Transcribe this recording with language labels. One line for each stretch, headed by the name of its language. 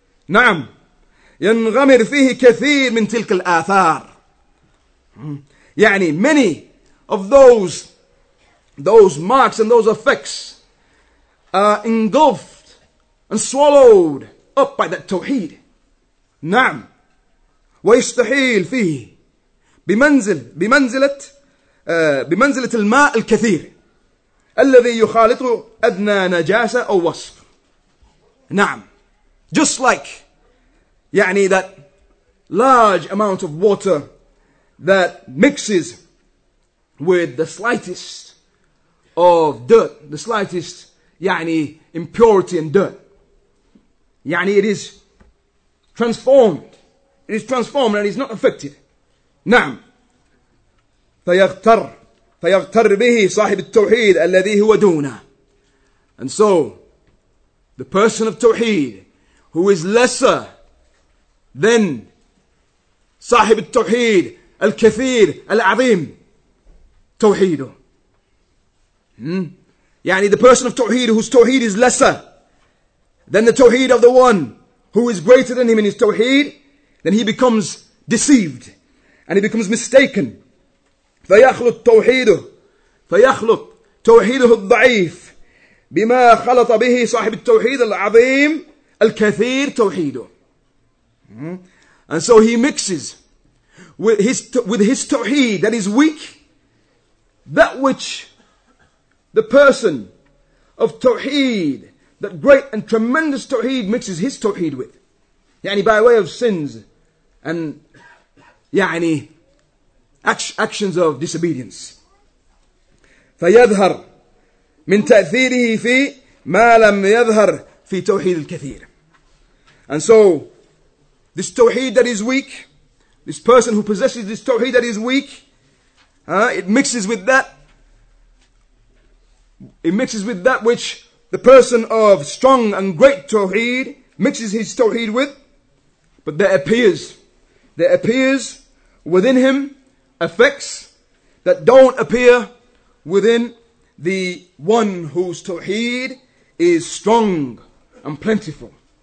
Arabic: نعم, ينغمر فيه كثير من تلك الآثار.
English: يعني many of those marks and those effects are engulfed and swallowed up by that tawheed.
Arabic: نعم. ويستحيل فيه بمنزلة الماء الكثير الذي يخالط أدنى نجاسة أو وصف. نعم.
English: Just like يعني that large amount of water that mixes with the slightest of dirt, the slightest يعني impurity and dirt. يعني it is transformed. It is transformed and it is not affected.
Arabic: نعم. فيغتر به صاحب التوحيد الذي هو دونه.
English: And so, the person of Tawheed, who is lesser than
Arabic: صاحب التوحيد الكثير العظيم توحيده.
English: يعني the person of Tawheed, whose Tawheed is lesser than the Tawheed of the one who is greater than him in his Tawheed, then he becomes deceived and he becomes mistaken.
Arabic: فيخلط توحيده الضعيف بما خلط به صاحب التوحيد العظيم الكثير توحيده.
English: And so he mixes with his توحيد that is weak, that which the person of توحيد, that great and tremendous توحيد, mixes his توحيد with. يعني by way of sins and يعني actions of disobedience.
Arabic: فيظهر من تأثيره في ما لم يظهر في توحيد الكثير.
English: And so, this توحيد that is weak, this person who possesses this توحيد that is weak, it mixes with that which the person of strong and great توحيد mixes his توحيد with, but there appears within him effects that don't appear within the one whose Tawheed is strong and plentiful.